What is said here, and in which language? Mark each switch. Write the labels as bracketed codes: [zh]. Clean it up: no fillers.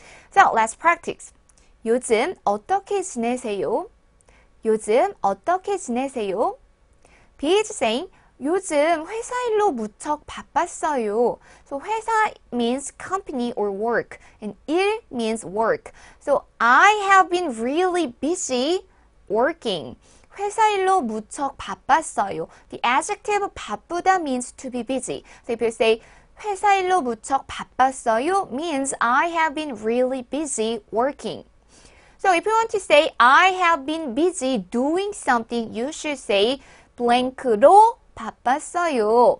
[en] So, last practice. [ko] 요즘 어떻게 지내세요? 요즘 어떻게 지내세요? [en] B is saying, [ko] 요즘 회사 일로 무척 바빴어요. [en] So 회사 means company or work, and 일 means work. So I have been really busy working. [ko] 회사 일로 무척 바빴어요. [en] The adjective 바쁘다 means to be busy. So if you say [ko] 회사 일로 무척 바빴어요 [en] means I have been really busy working. So if you want to say I have been busy doing something, you should say [ko] 블랭크로 바빴어요.